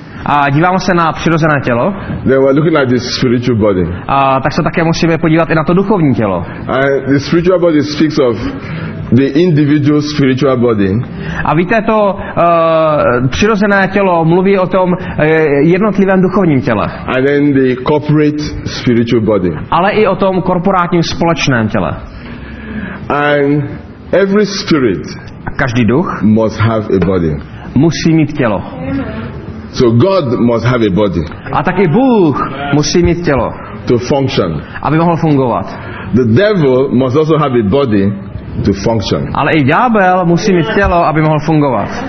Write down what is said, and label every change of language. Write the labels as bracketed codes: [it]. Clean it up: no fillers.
[cs] A díváme se na přirozené tělo. [en] Then we're looking at the spiritual body. [cs] A tak se také musíme podívat i na to duchovní tělo. [en] And the spiritual body speaks of the individual spiritual body. [cs] A víte, to přirozené tělo mluví o tom jednotlivém duchovním těle. [en] And then the corporate spiritual body. [cs] Ale i o tom korporátním společném těle. [en] And every spirit, [cs] každý duch, [en] must have a body. [cs] Musí mít tělo. [en] So God must have a body. [cs] A taky Bůh musí mít tělo. [en] To function. [cs] Aby mohl fungovat. [en] The devil must also have a body to function. [cs] Ale i ďábel musí mít tělo, aby mohl fungovat.